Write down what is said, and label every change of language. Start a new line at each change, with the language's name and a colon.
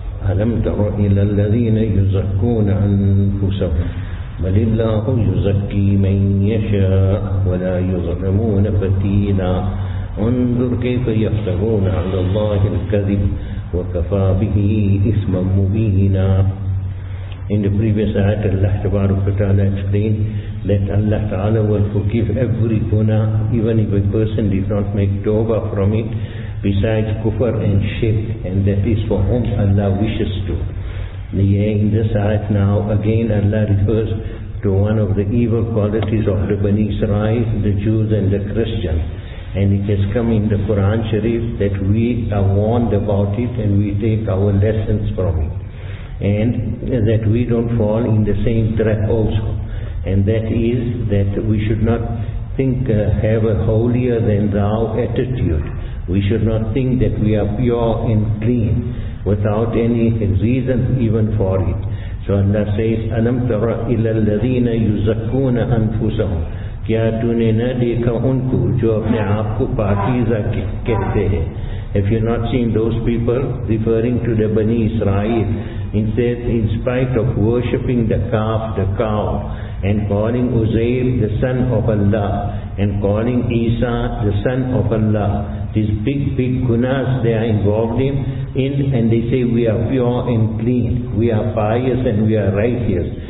Arabic: ألم تر إلى الذين يزكون أنفسهم بل الله يزكي من يشاء ولا يظلمون فتيلا. انظر كيف يفترون على الله الكذب وكفى به إثما مبينا.
English: In the previous ayat, Allah Tabaraka Ta'ala explained that Allah Ta'ala will forgive every guna, even if a person did not make tawbah from it, besides kufr and shirk, and that is for whom Allah wishes to. In this ayat now, again Allah refers to one of the evil qualities of the Bani Israel, the Jews and the Christians. And it has come in the Quran Sharif that we are warned about it and we take our lessons from it. And that we don't fall in the same trap also. And that is that we should not think have a holier than thou attitude. We should not think that we are pure and clean without any reason even for it. So Allah says,
Arabic: أَلَمْ تَرَ إِلَى الَّذِينَ يُزَكُّونَ أَنفُسَهُمْ.
Urdu: کیا تو نے نہ دیکھا ان کو جو اپنے آپ کو پاکیزہ کہتے ہیں.
English: If you're not seeing those people, referring to the Bani Israel, instead, in spite of worshipping the calf, the cow, and calling Uzair the son of Allah, and calling Isa the son of Allah, these big, big gunas they are involved in, and they say we are pure and clean, we are pious and we are righteous.